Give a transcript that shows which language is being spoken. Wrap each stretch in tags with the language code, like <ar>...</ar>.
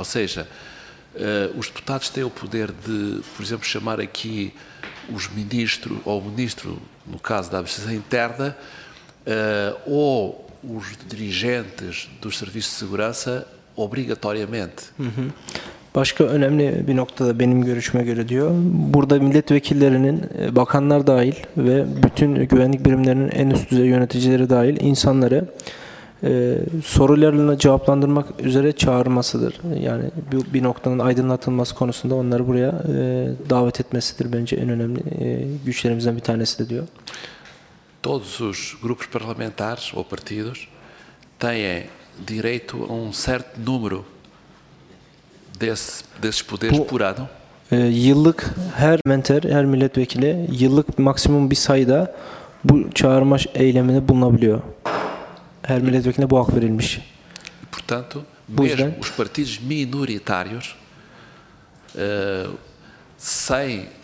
<pt>Ou seja, os deputados têm o poder de, por exemplo, chamar aqui os ministros, ou o ministro, no caso da administração interna, ou os dirigentes dos serviços de segurança, obrigatoriamente.</pt> <tr>Başka önemli bir noktada benim görüşüme göre diyor, burada milletvekillerinin, bakanlar dahil ve bütün güvenlik birimlerinin en üst düzey yöneticileri dahil insanları sorularını cevaplandırmak üzere çağırmasıdır. Yani bir noktanın aydınlatılması konusunda onları buraya davet etmesidir bence en önemli güçlerimizden bir tanesi de diyor.</tr> <pt>Todos os grupos parlamentares ou partidos têm direito a certo número desses poderes por ano.</pt> <tr>Yıllık her menter, her milletvekili yıllık maksimum bir sayıda bu çağırma eylemine bulunabiliyor. Her milletvekiline bu hak verilmiş.</tr> <pt>Portanto,</pt> <tr>bu</tr> <pt>mesmo</pt> <tr>yüzden,</tr> <pt>os partidos minoritários sem</pt>